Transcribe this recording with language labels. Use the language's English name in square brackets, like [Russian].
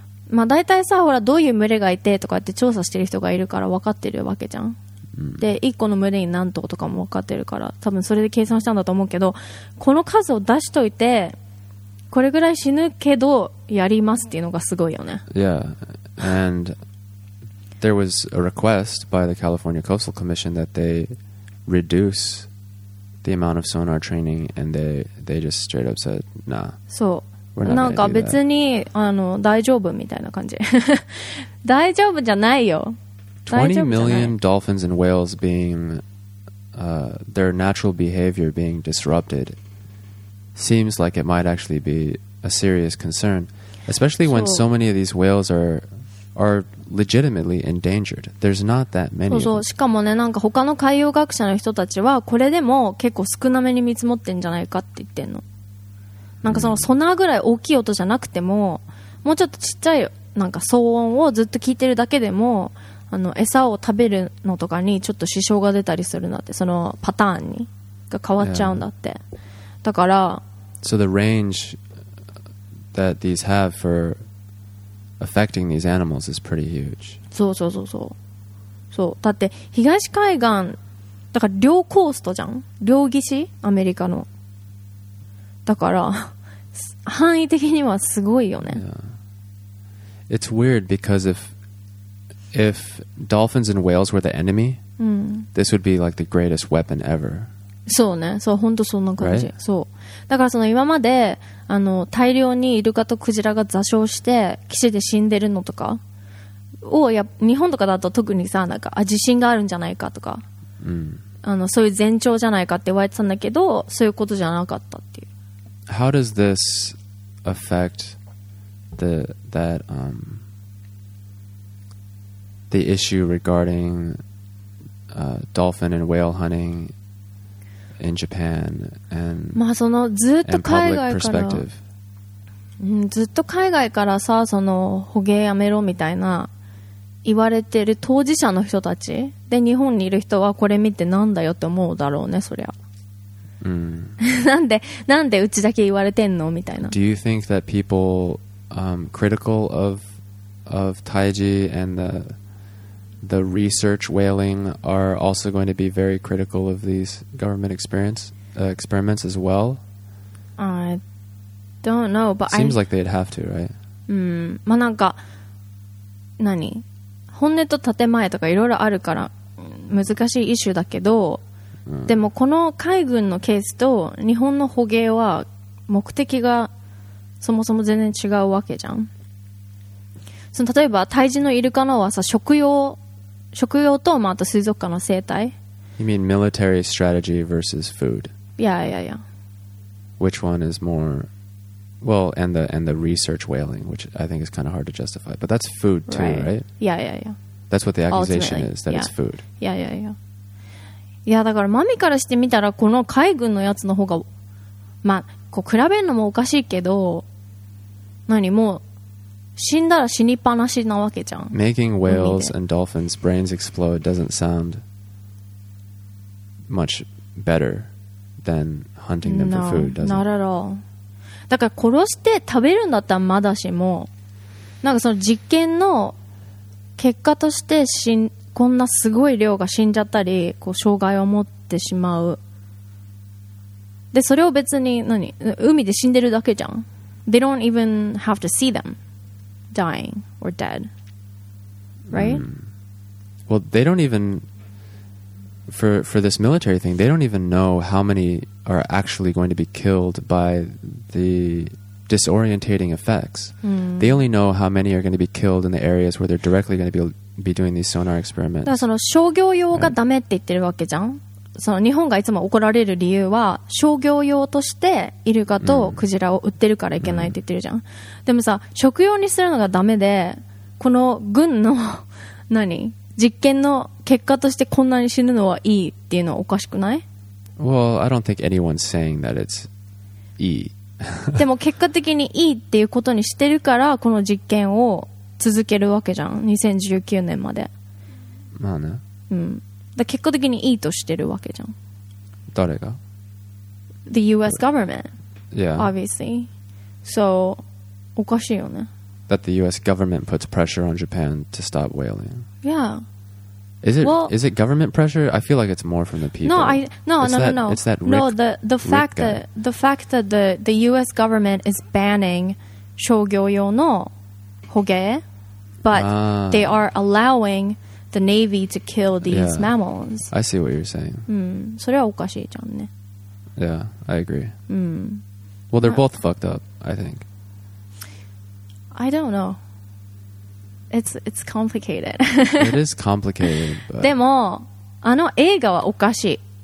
[Japanese] まあ大体さ、ほらどういう群れがいてとかって調査してる人がいるから分かってるわけじゃん。 Mm. で、一個の群れに何頭とかも分かってるから、多分それで計算したんだと思うけど、この数を出しといて、これぐらい死ぬけどやりますっていうのがすごいよね。 [English] Yeah, and there was a request by the California Coastal Commission that they reduce. The amount of sonar training and they just straight up said nah. [Japanese] そう。なんか別にあの大丈夫みたいな感じ。大丈夫じゃないよ。 [English] 20 million dolphins and whales being their natural behavior being disrupted seems like it might actually be a serious concern, especially when so many of these whales are legitimately endangered. There's not that many. [Japanese] そうそう。しかもね、なんか他の海洋学者の人たちはこれでも結構少なめに見積もってんじゃないかって言ってんの。なんかそのソナーぐらい大きい音じゃなくても、もうちょっとちっちゃいなんか騒音をずっと聞いてるだけでも、あの餌を食べるのとかにちょっと支障が出たりするんだって、そのパターンにが変わっちゃうんだって。 [English] Yeah. [Japanese] だから。 [English] So the range that these have for affecting these animals is pretty huge. [Japanese] そうそうそうそう。そう。だって東海岸だから両コーストじゃん。両岸アメリカの。だから範囲的にはすごいよね。 [English] Yeah. It's weird because if dolphins and whales were the enemy,、 [Japanese] うん、 [English] this would be like the greatest weapon ever. [Japanese] そうね。そう本当そんな感じ。 [English] Right? [Japanese] そう。だからその今まであの大量にイルカとクジラが座礁して岸で死んでるのとかをや日本とかだと特にさなんかあ地震があるんじゃないかとか、うん、あのそういう前兆じゃないかって言われてたんだけどそういうことじゃなかったっていう [English] How does this affect the, that,、the issue regarding、dolphin and whale hunting in Japan and [Japanese] まあそのずっと海外から、うん、ずっと海外からさその捕鯨やめろみたいな言われてる当事者の人たちで日本にいる人はこれ見てなんだよって思うだろうねそりゃ、 mm. なんでうちだけ言われてんのみたいな [English] Do you think that people、critical of Taiji and the research whaling are also going to be very critical of these government experiments as well? I don't know, but Seems like they'd have to, right? [Japanese] まあなんか何本音と建前とかいろいろあるから難しいイシューだけど、うん、でもこの海軍のケースと日本の捕鯨は目的がそもそも全然違うわけじゃん。その例えばタイジのイルカのはさ食用と、まあ、あと水族館の生態 [English] You mean military strategy versus food? Yeah, yeah, yeah. Which one is more... Well, and the research whaling, which I think is kind of hard to justify. But that's food too, right? Yeah, yeah, yeah. That's what the accusation、 Ultimately, is, that、 yeah. it's food. Yeah, yeah, yeah. [Japanese] いや、だからマミからしてみたらこの海軍のやつの方がまあ、こう比べるのもおかしいけど何もう死んだら死にっぱなしなわけじゃん。 [English] Making whales and dolphins' brains explode doesn't sound much better than hunting them for food, does it? No, not at all. [Japanese] だから殺して食べるんだったらまだしも、なんかその実験の結果として死ん、こんなすごい量が死んじゃったり、こう障害を持ってしまう。で、それを別に何、海で死んでるだけじゃん。 [English] They don't even have to see them. Dying or dead, right?、Mm. Well, they don't even for this military thing. They don't even know how many are actually going to be killed by the disorientating effects. Mm. They only know how many are going to be killed in the areas where they're directly going to be doing these sonar experiments. [Japanese] だからその商業用がダメって言ってるわけじゃん。その日本がいつも怒られる理由は商業用としてイルカとクジラを売ってるからいけないって言ってるじゃん。でもさ、食用にするのがダメで、この軍の何実験の結果としてこんなに死ぬのはいいっていうのはおかしくない？ [English] Well, I don't think anyone's saying that it's [Japanese] いい。でも結果的にいいっていうことにしてるからこの実験を続けるわけじゃん。 2019年まで。まあね。うん。だ結果的にいいとしてるわけじゃん。誰が？ [English] The U.S. government. Yeah. Obviously. So, [Japanese] おかしいよね。 [English] That the U.S. government puts pressure on Japan to stop whaling. Yeah. Is it government pressure? I feel like it's more from the people. No. It's that Rick, no, the fact that the U.S. government is banning [Japanese] 商業用の捕鯨, [English] but they are allowing the Navy to kill these mammals. I see what you're saying. [Japanese] それはおかしいじゃんね。 [English] Yeah, I agree. Mm. Well, they're both fucked up, I think. I don't know. It's complicated. It is complicated. But... [Japanese] でも、あの映画はおかしい。